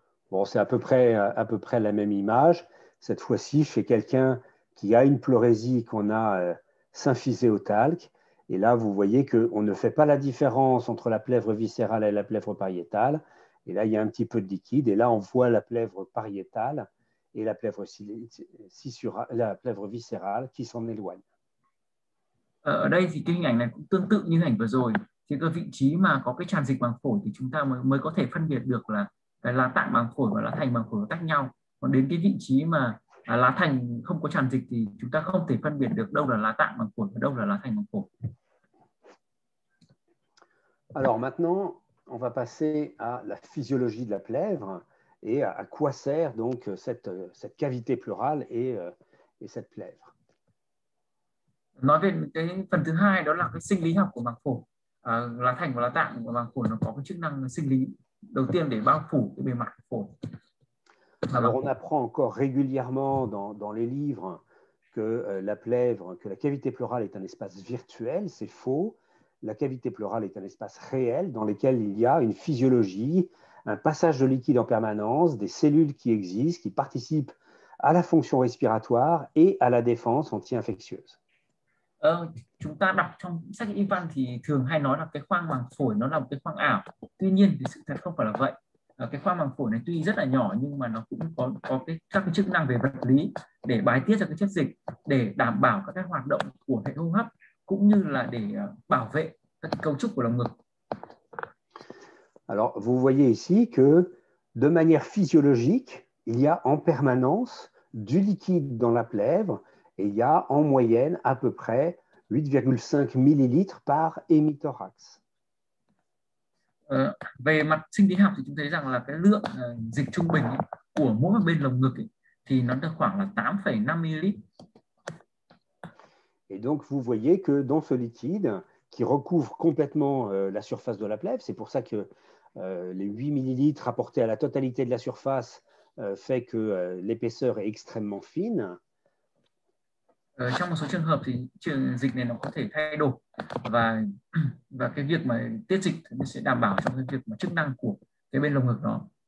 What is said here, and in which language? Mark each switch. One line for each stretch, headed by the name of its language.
French: Bon, c'est à peu près la même image. Cette fois-ci, chez quelqu'un qui a une pleurésie qu'on a symphysée au talc. Et là, vous voyez qu'on ne fait pas la différence entre la plèvre viscérale et la plèvre pariétale. Et là, il y a un petit peu de liquide. Et là, on voit la plèvre pariétale et la plèvre, la plèvre viscérale qui s'en éloignent.
Vietnamese: Ở đây thì cái hình ảnh này cũng tương tự như hình ảnh vừa rồi thì cái vị trí mà có cái tràn dịch màng phổi thì chúng ta mới có thể phân biệt được là cái lá tạng màng phổi và lá thành màng phổi tách nhau còn đến cái vị trí mà lá thành không có tràn dịch thì chúng ta không thể phân biệt được đâu là lá tạng màng phổi và đâu là lá thành màng phổi.
French: Alors maintenant, on va passer à la physiologie de la plèvre et à quoi sert donc cette cavité pleurale et cette plèvre.
Vietnamese: Nói về cái phần thứ hai đó là cái sinh lý học của màng phổi lá thành và lá tạng của màng phổi nó có cái chức năng sinh lý đầu tiên để bao phủ cái bề mặt phổi và
French: Alors
Vietnamese: màng
French: on
Vietnamese: phổi.
French: apprend encore régulièrement dans les livres que la plèvre, que la cavité pleurale est un espace virtuel, c'est faux. La cavité pleurale est un espace réel dans lequel il y a une physiologie, un passage de liquide en permanence, des cellules qui existent, qui participent à la fonction respiratoire et à la défense anti-infectieuse.
Vietnamese: Chúng ta đọc trong sách y văn thì thường hay nói là cái khoang màng phổi nó là một cái khoang ảo. Tuy nhiên thì sự thật không phải là vậy. Cái khoang màng phổi này tuy rất là nhỏ nhưng mà nó cũng có cái các cái chức năng về vật lý để bài tiết ra cái chất dịch để đảm bảo các cái hoạt động của hệ hô hấp cũng như là để bảo vệ các cấu trúc của lồng ngực.
French: Alors, vous voyez ici que de manière physiologique, il y a en permanence du liquide dans la plèvre et il y a en moyenne à peu près 8,5 millilitres par hémithorax.
Vietnamese: Về mặt sinh lý học thì chúng thấy rằng là cái lượng dịch trung bình ấy, của mỗi bên lồng ngực ấy, thì nó được khoảng là 8,5 ml.
French: Et donc, vous voyez que dans ce liquide qui recouvre complètement la surface de la plèvre, c'est pour ça que les 8 millilitres apportés à la totalité de la surface fait que l'épaisseur est extrêmement fine.
Vietnamese: Trong một số trường hợp thì trường dịch này nó có thể thay đổi và cái việc mà tiết dịch nó sẽ đảm bảo trong cái việc mà chức năng của cái bên lồng ngực đó.